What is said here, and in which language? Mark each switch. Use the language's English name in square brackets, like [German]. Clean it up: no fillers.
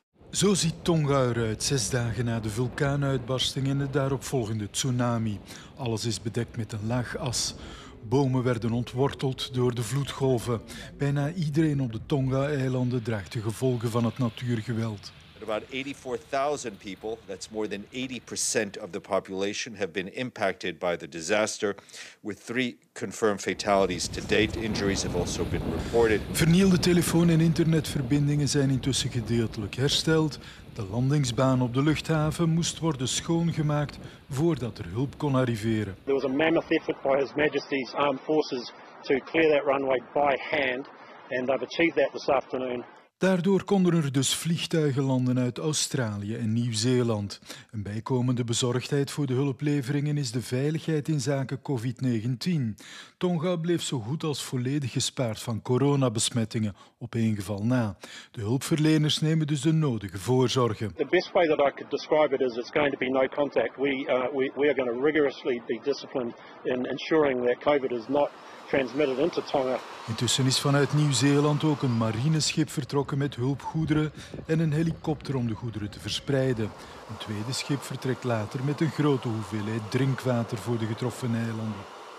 [Dutch] Zo ziet Tonga eruit, 6 dagen na de vulkaanuitbarsting en de daaropvolgende tsunami. Alles is bedekt met een laag as. Bomen werden ontworteld door de vloedgolven. Bijna iedereen op de Tonga-eilanden draagt de gevolgen van het natuurgeweld. [English] About 84.000 people, that's more than 80% of the population, have been impacted by the disaster, with 3 confirmed fatalities to date. Injuries have also been reported. [Dutch] Vernielde telefoon- en internetverbindingen zijn intussen gedeeltelijk hersteld. De landingsbaan op de luchthaven moest worden schoongemaakt voordat er hulp kon arriveren. [English] There was a mammoth effort by His Majesty's Armed Forces to clear that runway by hand, and they've achieved that this afternoon. [Dutch] Daardoor konden er dus vliegtuigen landen uit Australië en Nieuw-Zeeland. Een bijkomende bezorgdheid voor de hulpleveringen is de veiligheid in zaken COVID-19. Tonga bleef zo goed als volledig gespaard van coronabesmettingen op één geval na. De hulpverleners nemen dus de nodige voorzorgen. [English] The best way that I could describe it is it's going to be no contact. We are going to rigorously be disciplined in ensuring that COVID is not transmitted into Tonga. [Dutch] Intussen is vanuit Nieuw-Zeeland ook een marineschip vertrokken met hulpgoederen en een helikopter om de goederen te verspreiden. Een tweede schip vertrekt later met een grote hoeveelheid drinkwater voor de getroffen eilanden.